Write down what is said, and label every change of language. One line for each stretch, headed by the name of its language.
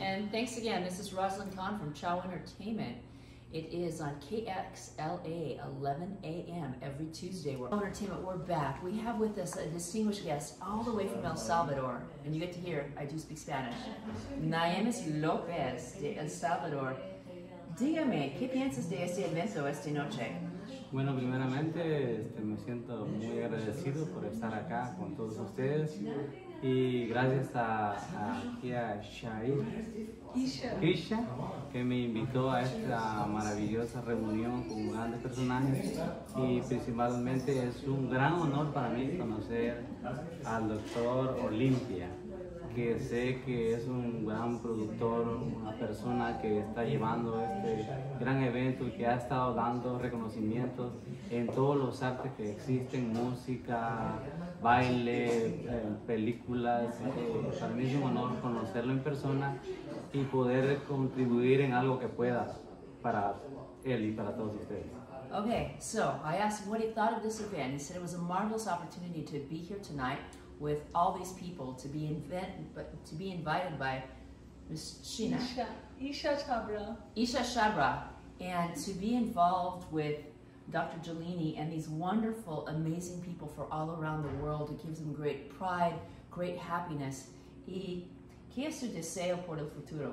English: And thanks again. This is Rosalyn Khan from Chow Entertainment. It is on KXLA 11 a.m. every Tuesday. We're Chow Entertainment. We're back. We have with us a distinguished guest all the way from El Salvador. And you get to hear, I do speak Spanish.
Spanish: Naemis Lopez de El Salvador. Dígame, ¿qué piensas de este evento esta noche? Bueno, primeramente me siento muy agradecido por estar acá con todos ustedes y gracias a Kisha que me invitó a esta maravillosa reunión con grandes personajes y principalmente es un gran honor para mí conocer al doctor Olimpia, que sé que es un gran productor, una persona que está llevando este gran evento y que ha estado dando reconocimientos en todos los artes que existen, música, baile, películas. Para mí es un honor conocerlo en persona y poder contribuir en algo que pueda para él y para todos ustedes.
English: Okay, so I asked him what he thought of this event. He said it was a marvelous opportunity to be here tonight with all these people, to be invited by Ms. Sheena. Isha Chabra. And to be involved with Dr. Jalini and these wonderful, amazing people from all around the world. It gives them great pride, great happiness.
Spanish: ¿Y qué es tu deseo por el futuro?